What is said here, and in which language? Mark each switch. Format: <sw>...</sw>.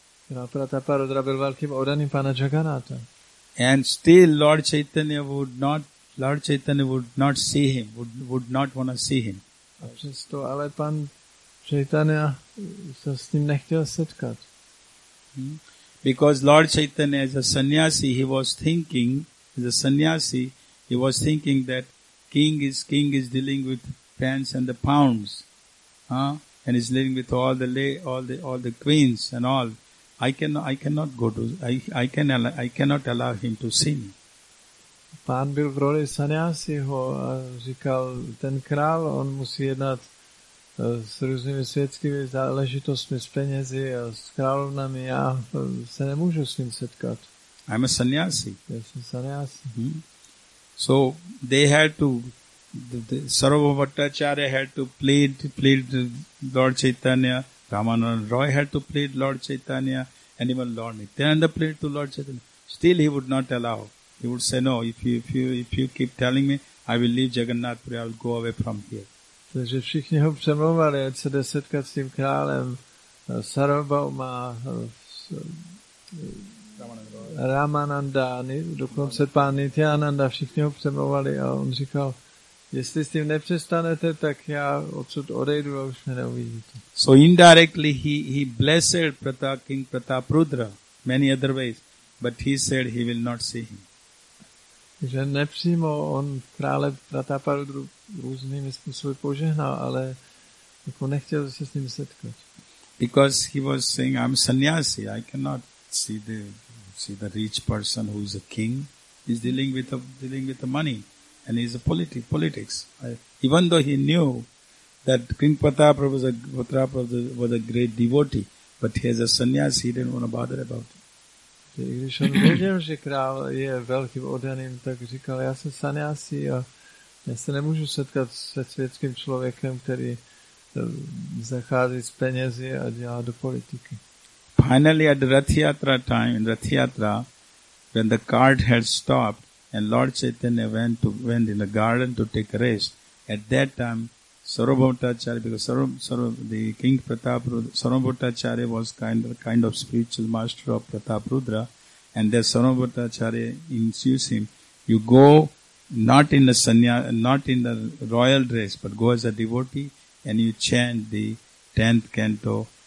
<cs>Král Pratapa Rudra byl velkým oddaným pana Jagannatha.</cs> <en>And still Lord Chaitanya would not see him, would not want to see him.</en> <cs>A přesto ale pan Chaitanya se s ním nechtěl setkat.</cs> <en>Because Lord Chaitanya as a sannyasi, he was thinking that king is dealing with pence and the pounds, and is dealing with all the queens and all. I cannot allow him to see me.</en> <cs>Pán byl v roli sannyasiho a říkal, ten král, on musí jednat s různými světskými záležitostmi, s penězi a s královnami, já se nemůžu s ním setkat.</cs> <en>I'm a sannyasi. Yes, a sannyasi. So they had to, the Sarvabhauma Bhattacharya had to plead Lord Chaitanya, Ramananda Roy had to plead Lord Chaitanya, and even Lord Nityananda plead to Lord Chaitanya. Still he would not allow. He would say, no, if you keep telling me, I will leave Jagannath Puri, I will go away from here.</en> <cs>Takže všichni ho přemlouvali, ať se jde setkat s tím králem, Sarvabhauma, Ramananda, dokonce pán Nityananda, všichni ho přemlouvali a on říkal, jestli s tím nepřestanete, tak já odsud odejdu a už mě neuvidíte.</cs> <en>So indirectly he blessed King Pratap Rudra many other ways, but he said he will not see him.</en> <cs>Takže nepřímo on krále Pratapa Rudru různými způsoby požehnal, ale jako nechtěl se s ním setkat.</cs> <en>Because he was saying, I'm sannyasi, I cannot see the rich person who is a king, is dealing with the money, and he is a politics. Even though he knew that Kringpatha Prabhu was a great devotee, but he has a sannyas, he didn't want to bother about it.</en> <cs>Když on věděl, že král je velkým oddaným, tak říkal, já jsem sanjasi a já se nemůžu setkat se světským člověkem, který zachází z penězi a dělá do politiky.</cs> <en>Finally at the Rathyatra time, in Rathyatra, when the cart had stopped and Lord Chaitanya went in the garden to take rest, at that time, Sarvabhautacharya was kind of spiritual master of Prataprudra, and there Sarvabhautacharya ensues him, you go not in the royal dress, but go as a devotee and you chant the 10th canto</en>